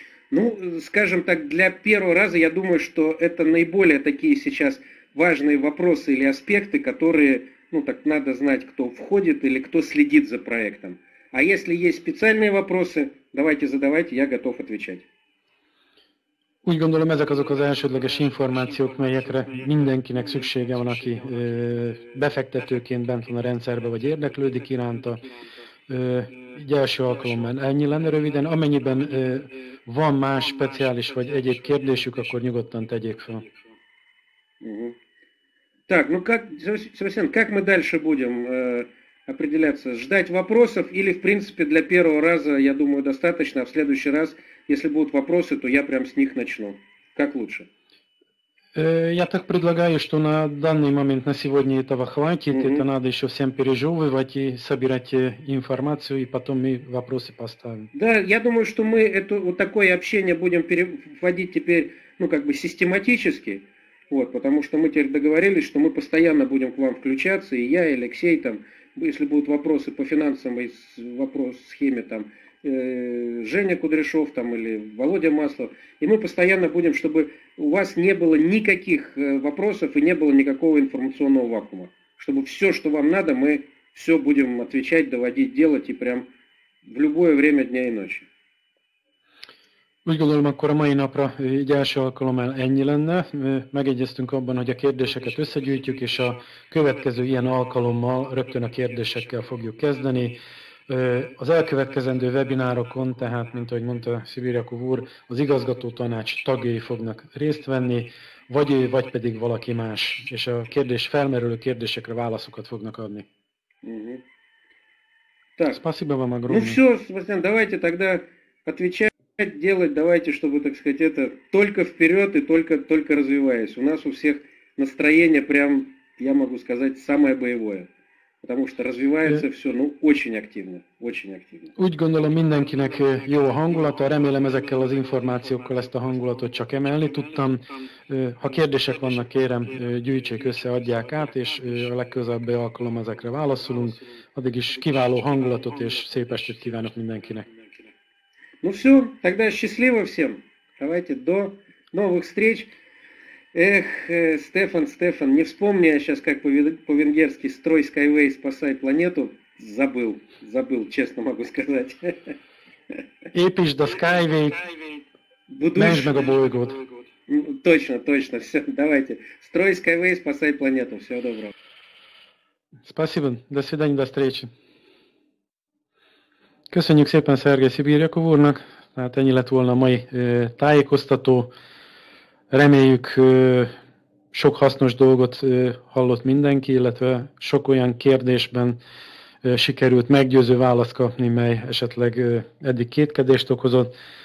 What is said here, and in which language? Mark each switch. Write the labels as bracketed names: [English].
[Russian] Ну, скажем так, для первого раза я думаю, что это наиболее такие сейчас важные вопросы или аспекты, которые, ну так, надо знать, кто входит или кто следит за проектом. А если есть специальные вопросы, давайте задавайте, я готов отвечать. [Hungarian] Úgy gondolom, ezek azok az elsődleges információk, melyekre mindenkinek szüksége van, aki befektetőként bent van a rendszerbe, vagy érdeklődik iránta. Így első alkalommal ennyi lenne röviden. Amennyiben van más speciális vagy egyéb kérdésük, akkor nyugodtan tegyék fel. [Russian] Так, ну как, Себастьян, как мы дальше будем определяться? Ждать вопросов или, в принципе, для первого раза, я думаю, достаточно, а в следующий раз, если будут вопросы, то я прям с них начну. Как лучше? Я так предлагаю, что на данный момент, на сегодня этого хватит, это надо еще всем пережевывать и собирать информацию, и потом мы вопросы поставим. Да, я думаю, что мы это вот такое общение будем переводить теперь, ну, как бы систематически, вот, потому что мы теперь договорились, что мы постоянно будем к вам включаться, и я, и Алексей, там, если будут вопросы по финансам, и вопрос схеме, там, Женя Кудряшов там или Володя Маслов, и мы постоянно будем, чтобы у вас не было никаких вопросов и не было никакого информационного вакуума, чтобы все, что вам надо, мы все будем отвечать, доводить, делать и прям в любое время дня и ночи. [Hungarian] Úgy gondolom, akkor a mai napra így első alkalommal ennyi lenne. Megegyeztünk abban, hogy a kérdéseket összegyűjtjük, és a következő ilyen alkalommal rögtön a kérdésekkel fogjuk kezdeni. Az elkövetkezendő webinárokon, tehát, mint ahogy mondta Szibirjakov úr, az igazgató tanács tagjai fognak részt venni, vagy ő, vagy pedig valaki más, és a kérdés felmerülő kérdésekre válaszokat fognak adni. [Russian] Спасибо вам огромное. Ну все, Себастьян, давайте тогда отвечать, делать, давайте, чтобы, так сказать, это только вперед и только развиваясь. У нас у всех настроение прям, я могу сказать, самое боевое. Потому что развивается все, ну, очень активно, очень активно. [Hungarian] Úgy gondolom, mindenkinek jó a hangulata, remélem ezekkel az információkkal ezt a hangulatot csak emelni tudtam. Ha kérdések vannak, kérem, gyűjtsék össze, adják át, és a legközelebbi alkalom ezekre válaszolunk. Addig is kiváló hangulatot és szép estét kívánok mindenkinek. [Russian] Ну все, тогда счастливо всем. Давайте до новых встреч. Эх, Стефан, Стефан, не вспомни я сейчас, как по-венгерски «Строй Skyway, спасай планету». Забыл, забыл, честно могу сказать. [Hungarian] Építsd a Skyway, menj meg a bolygót. [Russian] Точно, точно, все, давайте. «Строй Skyway, спасай планету». Всего доброго. Спасибо, до свидания, до встречи. [Hungarian] Köszönjük szépen Szergej Szibirjakov úrnak, hát ennyi lett volna a mai tájékoztató. Reméljük, sok hasznos dolgot hallott mindenki, illetve sok olyan kérdésben sikerült meggyőző választ kapni, mely esetleg eddig kétkedést okozott.